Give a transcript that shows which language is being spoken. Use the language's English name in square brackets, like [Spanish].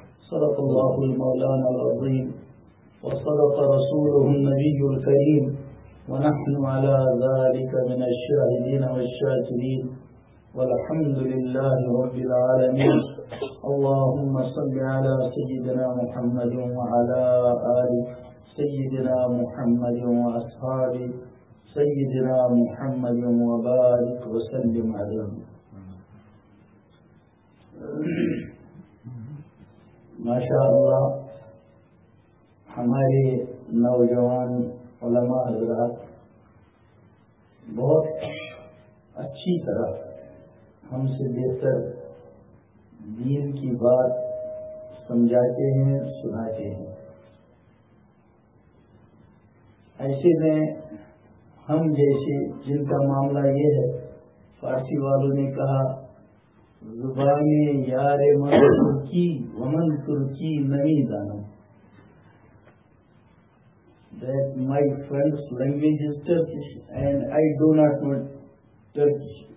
[Arabic] صدق الله المولانا العظيم وصدق رسوله النبي الكريم ونحن على ذلك من الشاهدين والشاكرين، والحمد لله رب العالمين. اللهم صل على سيدنا محمد وعلى آل سيدنا محمد وأصحاب سيدنا محمد وبارك وسلم عليهم. [Urdu] ما شاء الله، ہمارے نوجوان علماء حضرات بہت اچھی طرح ہم سے بہتر دین کی بات سمجھاتے ہیں، سناتے ہیں. ایسے میں ہم جیسے جن کا معاملہ یہ ہے، فارسی والوں نے کہا: [Persian] زبان یار من ترکی ومن ترکی نہیں دانا. [English] That my friend's language is Turkish and I do not know Turkish.